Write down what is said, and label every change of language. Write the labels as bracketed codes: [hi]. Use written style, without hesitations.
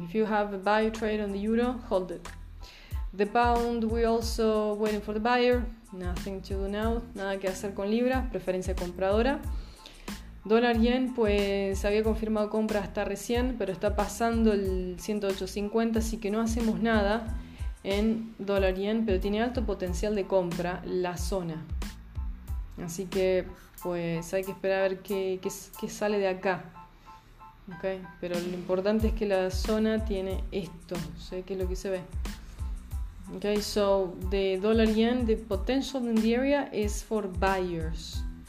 [en] If you have a buy trade on the euro, hold it. The pound, we also waiting for the buyer. Nothing to do now. [es] Nada que hacer con Libra, preferencia compradora. Dólar yen, pues había confirmado compra hasta recién, pero está pasando el 108.50, así que no hacemos nada en dólar yen, pero tiene alto potencial de compra la zona. Así que pues hay que esperar a ver qué sale de acá. Okay. Pero lo importante es que la zona tiene esto. ¿Sí? ¿Qué es lo que se ve? [en] Okay, so the dollar yen, the potential in the area is for buyers.